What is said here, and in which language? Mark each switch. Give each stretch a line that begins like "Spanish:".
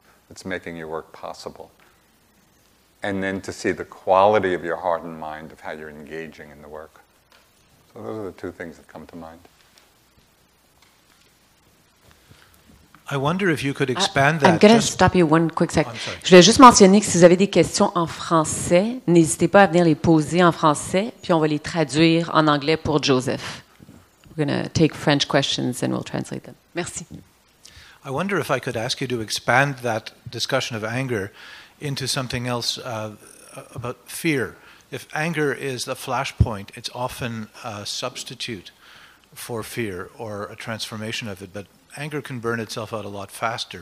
English: It's making your work possible. And then to see the quality of your heart and mind of how you're engaging in the work. So those are the two things that come to mind. I wonder if you could expand that. I'm going to stop you one quick second.
French: Je voulais juste mentionner que si vous avez des questions en français, n'hésitez pas à venir les poser en français, puis on va les traduire en anglais pour Joseph.
English: We're going to take French questions and we'll translate them.
French: Merci.
English: I wonder if I could ask you to expand that discussion of anger into something else about fear. If anger is the flashpoint, it's often a substitute for fear or a transformation of it, but anger can burn itself out a lot faster.